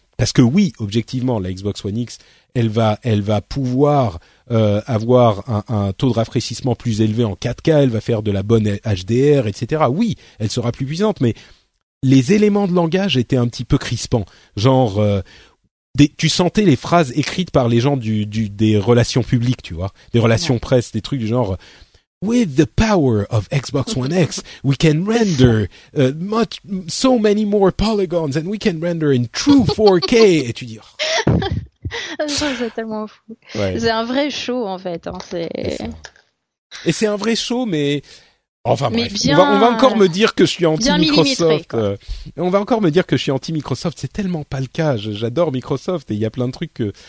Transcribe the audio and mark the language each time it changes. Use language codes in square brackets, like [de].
[fr] Parce que oui, objectivement, la Xbox One X, elle va pouvoir avoir un taux de rafraîchissement plus élevé en 4K, elle va faire de la bonne HDR, etc. Oui, elle sera plus puissante, mais les éléments de langage étaient un petit peu crispants. Genre, tu sentais les phrases écrites par les gens des relations publiques, tu vois, des relations presse, des trucs du genre... [en] With the power of Xbox One X, we can render so many more polygons and we can render in true 4K. [fr] Et tu dis. C'est tellement fou. Ouais. C'est un vrai show, en fait. Hein. Et c'est un vrai show, mais. Enfin, mais bref. On va encore me dire que je suis anti-Microsoft. On va encore me dire que je suis anti-Microsoft. C'est tellement pas le cas. J'adore Microsoft et il y a plein de trucs que.